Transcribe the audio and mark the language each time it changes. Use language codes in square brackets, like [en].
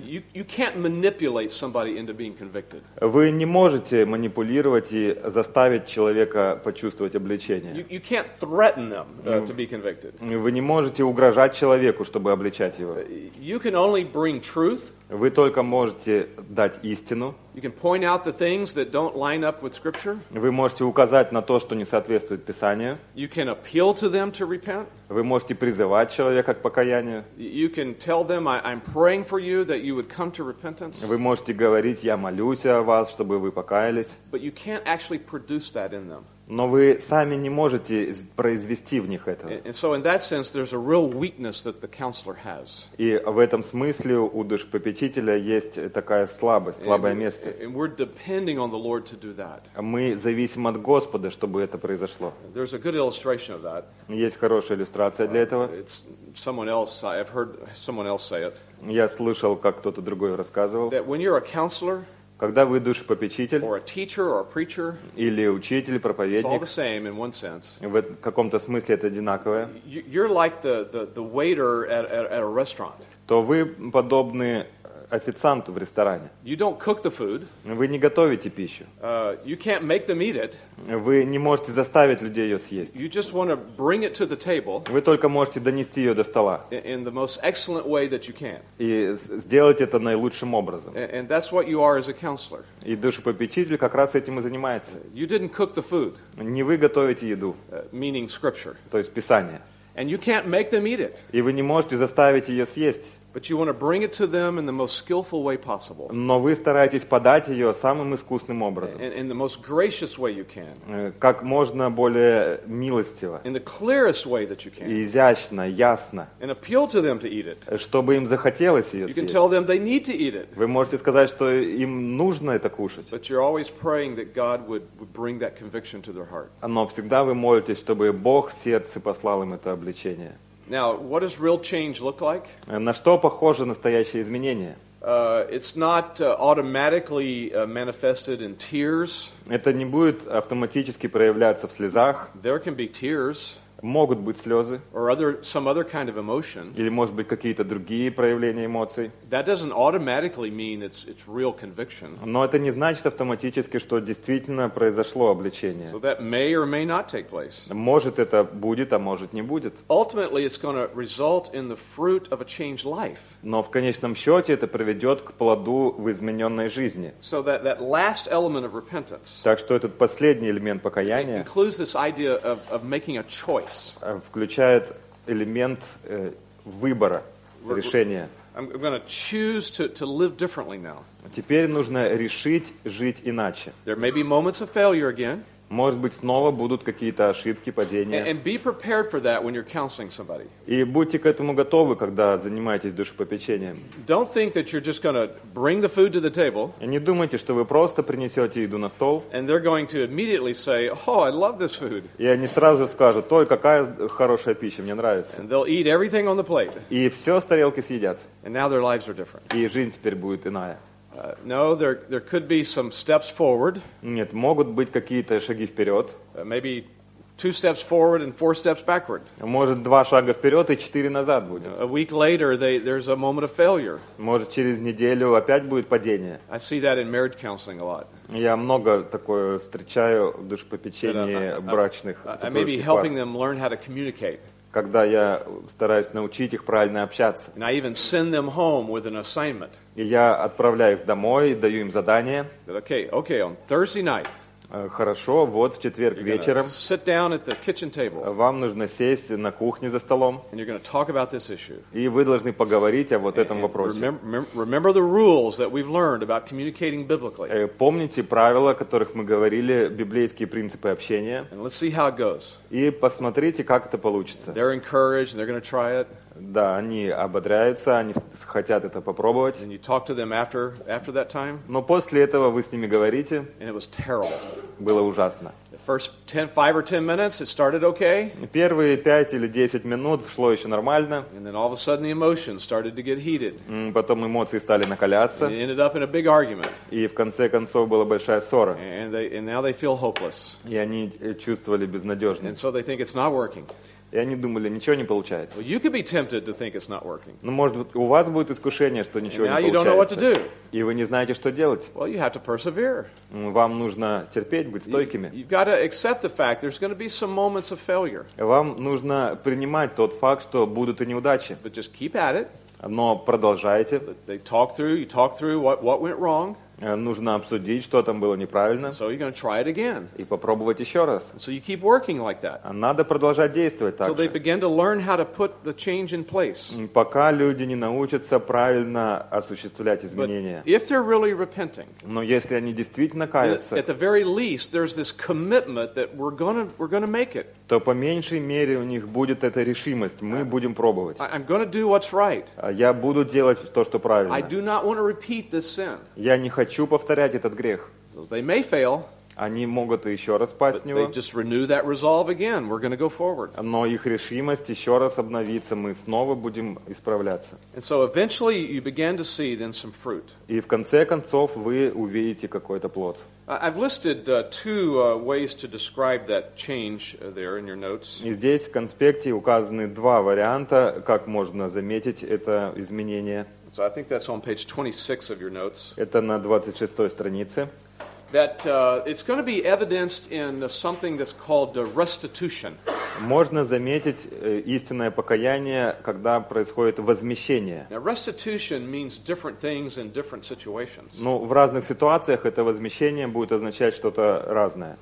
[en] You can't manipulate somebody into being convicted. [ru] Вы не можете манипулировать и заставить человека почувствовать обличение. [en] You can't threaten them to be convicted. [ru] Вы не можете угрожать человеку, чтобы обличать его. [en] You can only bring truth. [ru] Вы только можете дать истину. [en] You can point out the things that don't line up with Scripture. [ru] Вы можете указать на то, что не соответствует Писанию. [en] You can appeal to them to repent. [ru] Вы можете призывать человека к покаянию. [en] You can tell them, I'm praying for you that you would come to repentance. [ru] Вы можете говорить, я молюсь о вас, чтобы вы покаялись. [en] But you can't actually produce that in them. [ru] Но вы сами не можете произвести в них это. [en] And so in that sense, there's a real weakness that the counselor has. [ru] И в этом смысле у душепопечителя есть такая слабость, слабое место. [en] And we're depending on the Lord to do that. [ru] Мы зависим от Господа, чтобы это произошло. [en] There's a good illustration of that. [ru] Есть хорошая иллюстрация для этого. [en] It's someone else, I've heard someone else say it. [ru] Я слышал, как кто-то другой рассказывал. [en] That when you're a counselor, [ru] когда вы душепопечитель, [en] or a teacher, or a preacher, [ru] или учитель, проповедник, [en] it's all the same in one sense. [ru] В каком-то смысле это одинаковое. [en] You're like the waiter at a restaurant. [ru] То вы подобны официанту в ресторане. [en] You don't cook the food. [ru] Вы не готовите пищу. [en] You can't make them eat it. [ru] Вы не можете заставить людей ее съесть. [en] You just want to bring it to the table. [ru] Вы только можете донести ее до стола. [en] In the most excellent way that you can. [ru] И сделать это наилучшим образом. [en] And that's what you are as a counselor. [ru] И душепопечитель как раз этим и занимается. [en] You didn't cook the food. [ru] Не вы готовите еду. [en] Meaning scripture. [ru] То есть Писание. [en] And you can't make them eat it. [ru] И вы не можете заставить ее съесть. [en] But you want to bring it to them in the most skillful way possible. [ru] Но вы стараетесь подать ее самым искусным образом. [en] In the most gracious way you can. [ru] Как можно более милостиво. [en] In the clearest way that you can. [ru] Изящно, ясно. [en] And appeal to them to eat it. [ru] Чтобы им захотелось ее съесть. [en] You can tell them they need to eat it. [ru] Вы можете сказать, что им нужно это кушать. [en] But you're always praying that God would bring that conviction to their heart. [ru] Но всегда вы молитесь, чтобы Бог в сердце послал им это обличение. [en] Now, what does real change look like? [ru] На что похоже настоящее изменение? [en] It's not automatically manifested in tears. [ru] Это не будет автоматически проявляться в слезах. [en] There can be tears. [ru] Могут быть слезы. [en] Or other, some other kind of emotion. [ru] Или, может быть, какие-то другие проявления эмоций. [en] That doesn't automatically mean it's real conviction. [ru] Но это не значит автоматически, что действительно произошло обличение. [en] So that may or may not take place. [ru] Может, это будет, а может, не будет. [en] Ultimately, it's going to result in the fruit of a changed life. [ru] Но в конечном счете это приведет к плоду в измененной жизни. [en] So that last element of repentance, [ru] так что этот последний элемент покаяния [en] includes this idea of making a choice. [ru] Включает элемент выбора, решения. [en] I'm going to choose to live differently now. [ru] Теперь нужно решить жить иначе. [en] There may be moments of failure again. [ru] Может быть, снова будут какие-то ошибки, падения. [en] And be prepared for that when you're counseling somebody. [ru] И будьте к этому готовы, когда занимаетесь душепопечением. [en] Don't think that you're just going to bring the food to the table. [ru] И не думайте, что вы просто принесете еду на стол. [en] And they're going to immediately say, "Oh, I love this food." [ru] И они сразу скажут: "Ой, какая хорошая пища, мне нравится." [en] And they'll eat everything on the plate. [ru] И все с тарелки съедят. [en] And now their lives are different. [ru] И жизнь теперь будет иная. [en] No, there could be some steps forward. [ru] Нет, могут быть какие-то шаги вперед. [en] Maybe two steps forward and four steps backward. [ru] Может, два шага вперед и четыре назад будет. [en] A week later, there's a moment of failure. [ru] Может, через неделю опять будет падение. [en] I see that in marriage counseling a lot. [ru] Я много такое встречаю в душепопечении брачных. [en] I may be helping them learn how to communicate. [ru] Когда я стараюсь научить их правильно общаться. И я отправляю их домой, даю им задание. [en] Okay, on Thursday night, [ru] хорошо, вот в четверг вечером [en] sit down at the kitchen table, [ru] вам нужно сесть на кухне за столом, [en] and you're gonna talk about this issue. [ru] И вы должны поговорить о вот этом вопросе. [en] Remember the rules that we've learned about communicating biblically. [ru] Помните правила, о которых мы говорили, библейские принципы общения. [en] And let's see how it goes. [ru] И посмотрите, как это получится. [en] They're encouraged, and they're gonna try it. [ru] Да, они ободряются, они хотят это попробовать. [en] And you talk to them after that time. [ru] Но после этого вы с ними говорите. [en] And it was terrible. [ru] Было ужасно. [en] The first 5 or 10 minutes, it started okay. [ru] Первые 5 или 10 минут шло еще нормально. [en] And then all of a sudden the emotions started to get heated. [ru] Потом эмоции стали накаляться. [en] And it ended up in a big argument. [ru] И в конце концов была большая ссора. [en] And now they feel hopeless. [ru] И они чувствовали безнадежно. [en] And so they think it's not working. [ru] И они думали, ничего не получается. [en] Well, you could be tempted to think it's not working. [ru] Ну, может быть, у вас будет искушение, что ничего не получается. [en] Don't know what to do. [ru] И вы не знаете, что делать. [en] Well, you have to persevere. [ru] Вам нужно терпеть, быть стойкими. [en] You've got to accept the fact there's going to be some moments of failure. [ru] Вам нужно принимать тот факт, что будут и неудачи. [en] But just keep at it. [ru] Но продолжайте. [en] They talk through, you talk through what went wrong. [ru] Нужно обсудить, что там было неправильно. [en] So you're going to try it again. [ru] И попробовать еще раз. [en] So you keep working like that. [ru] Надо продолжать действовать так же. [en] So they begin to learn how to put the change in place. [ru] Пока люди не научатся правильно осуществлять изменения. [en] But if they're really repenting, [ru] но если они действительно каются, [en] at the very least, there's this commitment that we're going to make it. [ru] То по меньшей мере у них будет эта решимость. Мы будем пробовать. [en] I'm going to do what's right. [ru] Я буду делать то, что правильно. [en] I do not want to repeat this sin. [ru] Я не хочу повторять этот грех. [en] So they may fail. [ru] Они могут еще раз пасть в него. [en] But they just renew that resolve again. We're going to go forward. [ru] Но их решимость еще раз обновиться. Мы снова будем исправляться. [en] And so eventually you begin to see then some fruit. [ru] И в конце концов вы увидите какой-то плод. [en] I've listed two ways to describe that change there in your notes. [ru] И здесь в конспекте указаны два варианта, как можно заметить это изменение. [en] So I think that's on page 26 of your notes. [ru] Это на 26-й странице. [en] That it's going to be evidenced in something that's called restitution. [ru] Можно заметить истинное покаяние, когда происходит возмещение. [en] Now, restitution means different things in different situations. [ru] Ну, в разных ситуациях это возмещение будет означать что-то разное.